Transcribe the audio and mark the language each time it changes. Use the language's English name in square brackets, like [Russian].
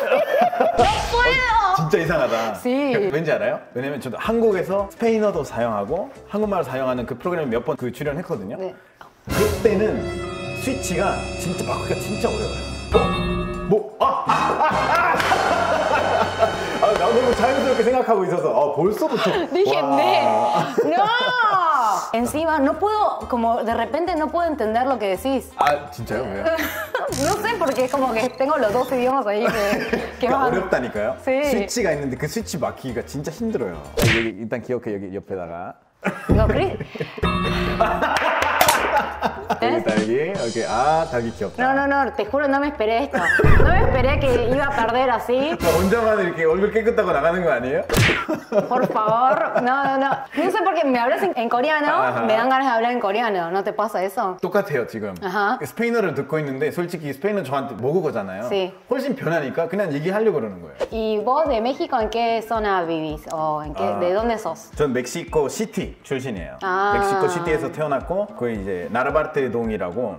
[Spanish] ¡No puedo! ¡Es muy raro! Sí. ¿Ven ya, no? Porque yo en Corea uso español y uso español y uso español en ese programa que he hecho muchas veces. Sí. En ese momento, el switch es muy difícil. [Korean] 뭐? 아! 나 너무 자연스럽게 생각하고 있어서 벌써부터 네네 NO! [Spanish] Encima no puedo, como de repente no puedo entender lo que decís. Ah, [Korean] ¿진짜요? [Spanish] ¿Vaya? No sé, porque es como que tengo los dos idiomas ahí que van. [Korean] 어렵다니까요? [Spanish] Sí. [Korean] Switch가 있는데 그 스위치 막히기가 진짜 힘들어요. 여기 일단 기억해, 여기 옆에다가. 이거 그리? 여기 딸기, 오케이. 아, 딸기 귀엽다. [Spanish] No, no, no. Te juro, no me esperé esto. No me esperé que iba a perder así. [Korean] 혼자만 이렇게 얼굴 깨끗하고 나가는 거 아니에요? [Spanish] Por favor. No, no, no. No sé por qué me hablas en coreano. Me dan ganas de hablar en coreano. ¿No te pasa eso? [Korean] 똑같아요, 지금. 스페인어를 듣고 있는데 솔직히 스페인어 저한테 모국어잖아요. 훨씬 변하니까 그냥 얘기하려고 그러는 거예요. [Spanish] ¿Y vos de México en qué zona vivís? ¿De dónde sos? [Korean] 전 멕시코 시티 출신이에요. 멕시코 시티에서 태어났고 거의 이제 나라바르테 동이라고.